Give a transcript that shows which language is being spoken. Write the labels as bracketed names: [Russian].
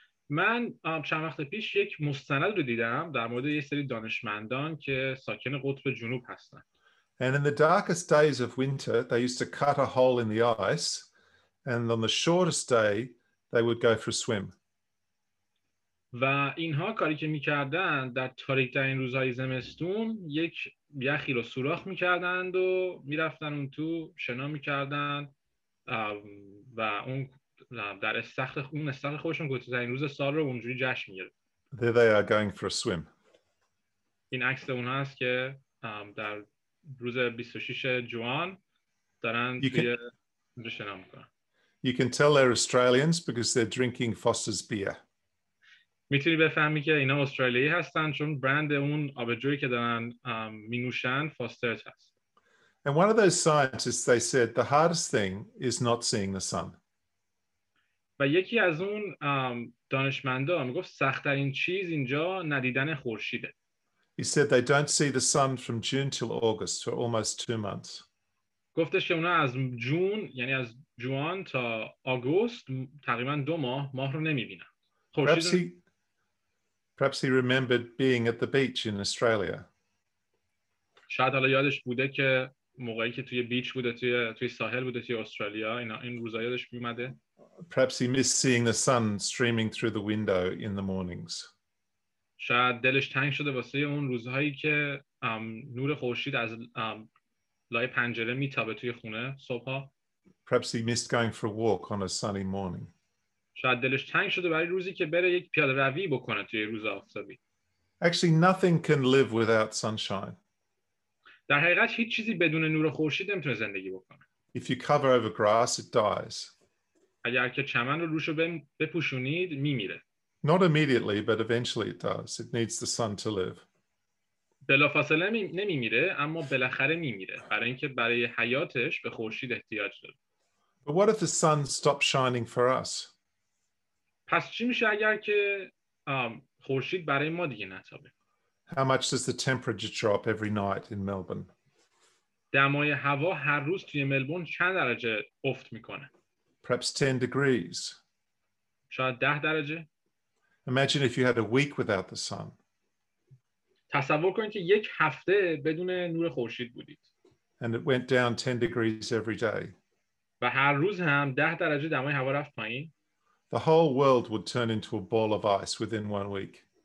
[Persian] من چند وقت پیش یک مستند رو دیدم در مورد یه سری دانشمندان که ساکن قطب جنوب هستن. [English] And in the darkest days of winter, they used to cut a hole in the ice. And on the shortest day, they would go for a swim. [Persian] و اینها کاری که می‌کردن در تاریک‌ترین روزهای زمستون یک یخی رو سوراخ می‌کردند و می‌رفتن اون تو شنا می‌کردن و اون در استخر اون استخر خودشون کوتاه‌ترین روز سال رو اونجوری جشن می‌گرفت. [English] There they are going for a swim. [Persian] این عکس اون هست که در روز 26 جوان دارن توی شنا می‌کنن. [English] You can tell they're Australians because they're drinking Foster's beer. [Persian] میتونی بفهمی که اینا استرالیایی هستن چون برند اون آبجویی که دارن می نوشن فاسترز هست. [English] And one of those scientists, they said, the hardest thing is not seeing the sun. [Persian] و یکی از اون دانشمندا میگفت سخت‌ترین چیز اینجا ندیدن خورشیده. [English] He said they don't see the sun from June till August for almost 2 months. [Persian] گفتش که اونا از جون یعنی از جوان تا آگوست تقریبا 2 ماه رو نمی‌بینن. [English] Perhaps he remembered being at the beach in Australia. [Persian] شاید حالا یادش بوده که موقعی که توی بیچ بوده توی ساحل بوده توی استرالیا این روزا یادش میومده. [English] Perhaps he missed seeing the sun streaming through the window in the mornings. [Persian] شاید دلش تنگ شده واسه اون روزهایی که نور خورشید از لای پنجره میتابه توی خونه صبحا. [English] Perhaps he missed going for a walk on a sunny morning. [Persian] شاید دلش تنگ شده برای روزی که بره یک پیاده روی بکنه توی روز آفتابی. [English] Actually, nothing can live without sunshine. [Persian] در حقیقت هیچ چیزی بدون نور خورشید نمیتونه زندگی بکنه. [English] If you cover over grass, it dies. [Persian] اگر که چمن رو روشو بپوشونید میمیره. [English] Not immediately, but eventually it does. It needs the sun to live. [Persian] بلافاصله نمیمیره، اما بالاخره میمیره. برای اینکه برای حیاتش به خورشید احتیاج داره. [English] But what if the sun stops shining for us? [Persian] پس چی میشه اگر که خورشید برای ما دیگه نتابه؟ [English] How much does the temperature drop every night in Melbourne? [Persian] دمای هوا هر روز توی ملبورن چند درجه افت میکنه؟ [English] Perhaps 10 degrees. [Persian] شاید 10 درجه. [English] Imagine if you had a week without the sun. [Persian] تصور کنید که یک هفته بدون نور خورشید بودید. [English] And it went down 10 degrees every day. [Persian] و هر روز هم 10 درجه دمای هوا رفت پایین. [English] The whole world would turn into a ball of ice within 1 week.